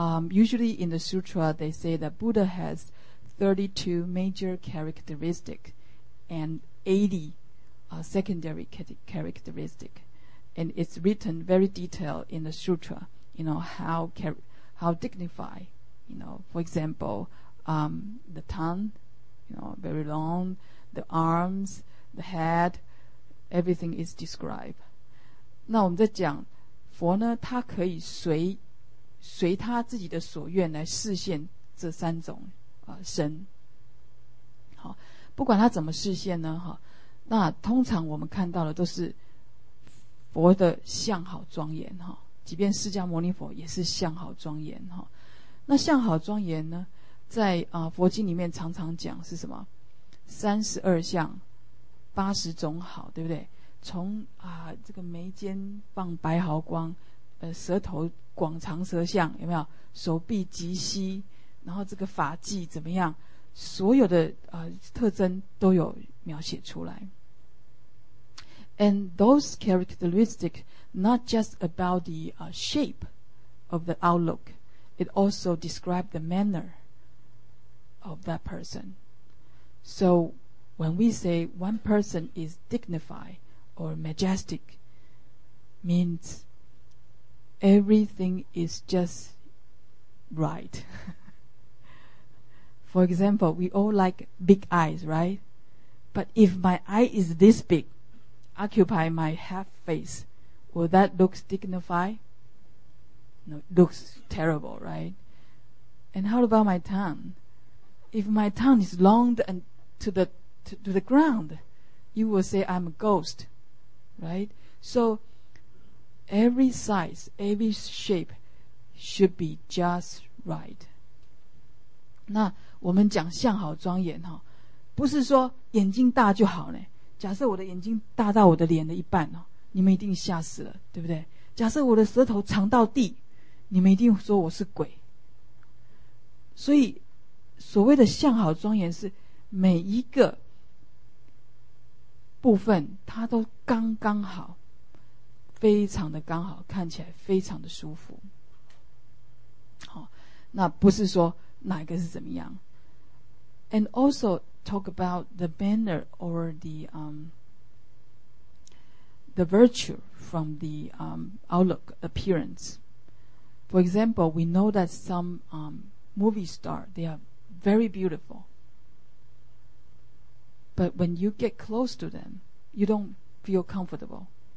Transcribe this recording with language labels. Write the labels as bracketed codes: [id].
[en] Usually in the sutra, they say that Buddha has 32 major characteristics and 80 secondary characteristics. And it's written very detailed in the sutra, you know, how dignified, you know, for example, the tongue, you know, very long, the arms, the head, everything is described. [zh] 那我们在讲佛呢，他可以随他自己的所愿来示现这三种身。好，不管他怎么示现呢，那通常我们看到的都是佛的相好庄严，即便释迦牟尼佛也是相好庄严。那相好庄严呢，在佛经里面常常讲是什么？三十二相，八十种好，对不对？从这个眉间放白毫光，舌头广长舌相，有没有？手臂及膝，然后这个发髻怎么样？所有的特征都有描写出来。 [en] And those characteristics not just about the shape of the outlook, it also describes the manner of that person. So when we say one person is dignified or majestic, means everything is just right. For example, we all like big eyes, right? But if my eye is this big, occupy my half face, will that look dignified? No, it looks terrible, right? And how about my tongue? If my tongue is long and to the ground, you will say I'm a ghost, right? So every size, every shape should be just right. [zh] 那我们讲相好庄严，不是说眼睛大就好呢。假设我的眼睛大到我的脸的一半，你们一定吓死了，对不对？假设我的舌头长到地，你们一定说我是鬼。所以所谓的相好庄严是每一个部分它都刚刚好，非常的刚好，看起来非常的舒服。好，那不是说哪一个是怎么样。 [en] And also talk about the manner or the virtue from the outlook appearance. For example, we know that some movie star, they are very beautiful, but when you get close to them, you don't feel comfortable.